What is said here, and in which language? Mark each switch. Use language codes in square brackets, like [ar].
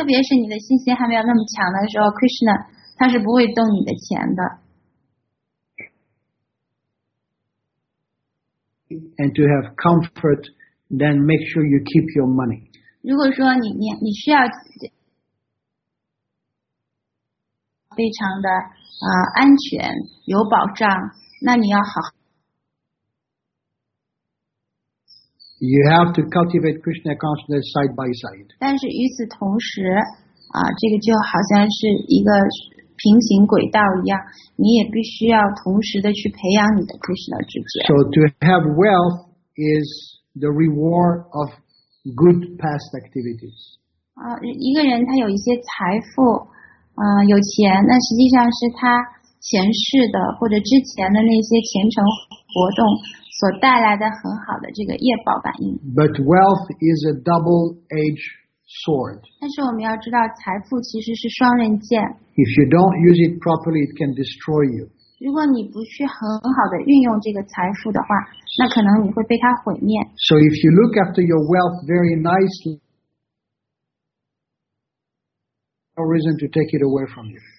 [zh] 特别是你的信心还没有那么强的时候 ，Krishna 他是不会动你的钱的。 [en] And to have comfort, then make sure you keep your money. [zh] 如果说你需要非常的安全有保障，那你要好。 [en] You have to cultivate Krishna consciousness side by side. [zh] 但是与此同时这个就好像是一个平行轨道一样，你也必须要同时的去培养你的 Krishna 知觉。 [en] So to have wealth is the reward of good past activities. [zh] 一个人他有一些财富有钱，那实际上是他前世的或者之前的那些虔诚活动所带来的很好的这个业报感应。 [en] But wealth is a double-edged sword. [zh] 但是我们要知道，财富其实是双刃剑。 [en] If you don't use it properly, it can destroy you. [zh] 如果你不去很好的运用这个财富的话，那可能你会被它毁灭。 [en] So if you look after your wealth very nicely, no reason to take it away from you.